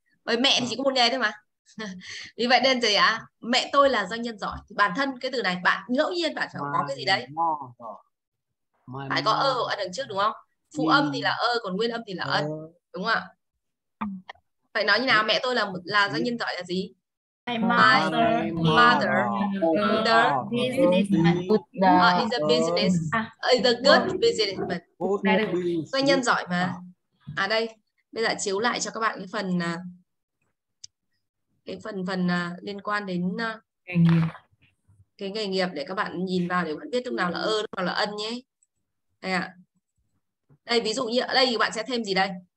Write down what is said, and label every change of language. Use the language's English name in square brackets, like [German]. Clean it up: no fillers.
[Vietnamese] Bởi mẹ thì chỉ có một nghề thôi mà. Vì vậy nên gì ạ? Mẹ tôi là doanh nhân giỏi. Thì bản thân cái từ này bạn ngẫu nhiên bạn phải có cái gì đấy. Phải có ơ ở đằng trước đúng không? Phụ âm thì là ơ, còn nguyên âm thì là ân. Đúng không ạ? Phải nói như nào? Mẹ tôi là doanh nhân giỏi là gì? [English] My mother, mother is a business, is a good businessman. [Vietnamese] Doanh nhân giỏi mà. À đây, bây giờ chiếu lại cho các bạn cái phần liên quan đến cái nghề nghiệp để các bạn nhìn vào để bạn biết lúc nào là ơ, lúc nào là ân nhé. Đây ạ. Đây ví dụ như ở đây thì bạn sẽ thêm gì đây?